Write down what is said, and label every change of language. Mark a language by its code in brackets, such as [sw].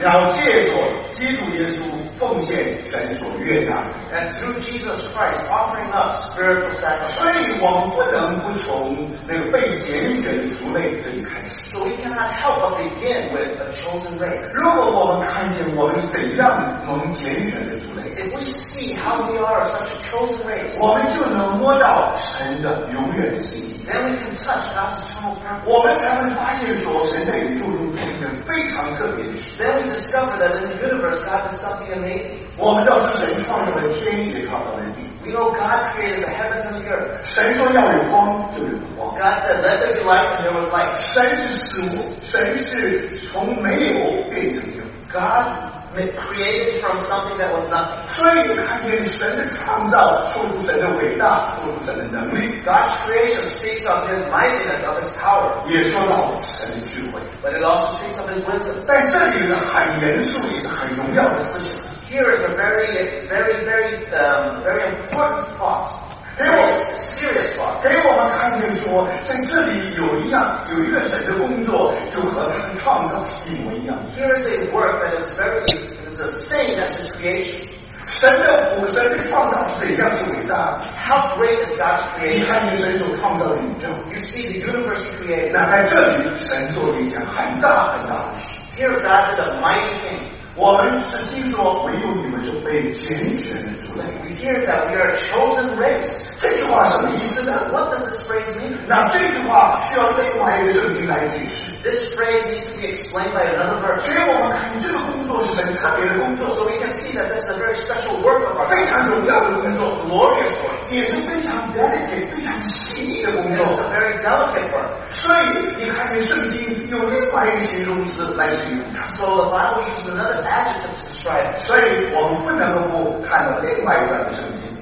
[zh] 然后借着基督耶稣奉献神所悦纳。 [en] And through Jesus Christ offering up spiritual sacrifice. [zh] 所以我们不能不从那个被拣选族类这里开始。 [en] So we cannot help but begin with a chosen race. [zh] 如果我们看见我们怎样蒙拣选的族类 [en] ，If we see how we are such a chosen race, [zh] 我们就能摸到神的永远的心意。 [en] Then we can touch God's eternal purpose. [zh] 我们才会发现说神在宇宙中。非常特别的事。 [en] Then we discover that in the universe God is something amazing. [zh] 我们知道是神创造了天，也创造了地。 [en] We know God created the heavens and the earth. [zh] 神说要有光，就有光。 [en] God said, "Let there be light," and there was light. [zh] 神是从没有变成有。 [en] God created from something that was nothing. [zh] 所以你看见神的创造，说出神的伟大，说出神的能力。 [en] God's creation speaks of His mightiness, of His power. [zh] 也说到神的智慧。 [en] But it also speaks of His wisdom. [zh] 但这里是很严肃，也是很荣耀的事情。 [en] Here is a very, very, very, very important thought. [zh] 给我 [en] serious thought. [zh] 给我们看见说，在这里有一个神的工作，就和他的创造是一模一样。 [en] Here is a work that is very, is the same as His creation. [zh] 神的我神的创造是一样是伟大。 [en] How great is God's creation？ [zh] 你看你神所创造的宇宙。 [en] You see the universe created。 [zh] 那在这里，神做了一件很大很大的事。 [en] Here God is a mighty thing。 [zh] 我们是听说唯有你们是被拣选的族类。 [en] We hear that we are a chosen race。 [zh] 这句话什么意思呢 [en] ？What does this phrase mean？ [zh] 那这句话需要另外一个圣经来解释。 [en] This phrase needs to be explained by another verse。 [zh] 今天我们看这个工作是很特别的工作 [en] ，so we can see that this is a very special work of God。 [zh] 非常荣耀的工作 [en] ，glorious work， [zh] 也是非常 delicate， 非常细腻的工作 [en] ，it's a very delicate work。 [zh] 所以你看，你圣经用另外一个形容词来形容它。 [en] So the Bible uses another adjective to describe。 [zh] 所以我们不能够看到另外一段的圣经